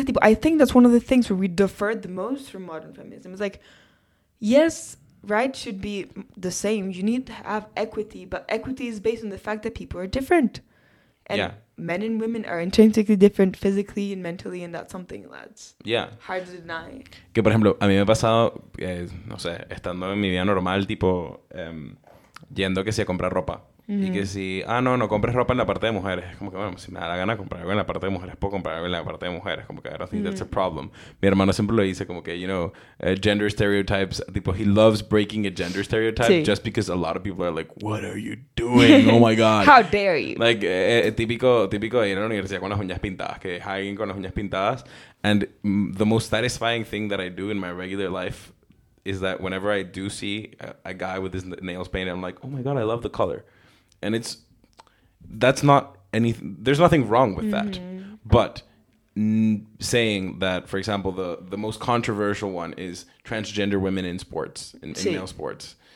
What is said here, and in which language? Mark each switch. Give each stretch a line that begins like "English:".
English: I think that's one of the things where we differ the most from modern feminism. It's like, yes, rights should be the same. You need to have equity, but equity is based on the fact that people are different. And men and women are intrinsically different physically and mentally, and that's something that's hard to deny.
Spanish: Que, por ejemplo, a mí me ha pasado, no sé, estando en mi vida normal, tipo, yendo que si a comprar ropa. Mm-hmm. Y que si, no compres ropa en la parte de mujeres. Como que, bueno, si me da la gana comprar algo en la parte de mujeres, puedo comprar algo en la parte de mujeres. Como que,
English: I don't think that's a problem.
Spanish: Mi hermano siempre lo dice, como que,
English: you know, gender stereotypes.
Spanish: Tipo,
English: he loves breaking a gender stereotype just because a lot of people are like, what are you doing? Oh my God. How dare you? Like,
Spanish: típico de ir a la universidad con las uñas pintadas. Que hay alguien con las uñas pintadas.
English: And the most satisfying thing that I do in my regular life is that whenever I do see a guy with his nails painted, I'm like, oh my God, I love the color. And there's nothing wrong with that. But saying that, for example, the most controversial one is transgender women in sports, in male sports.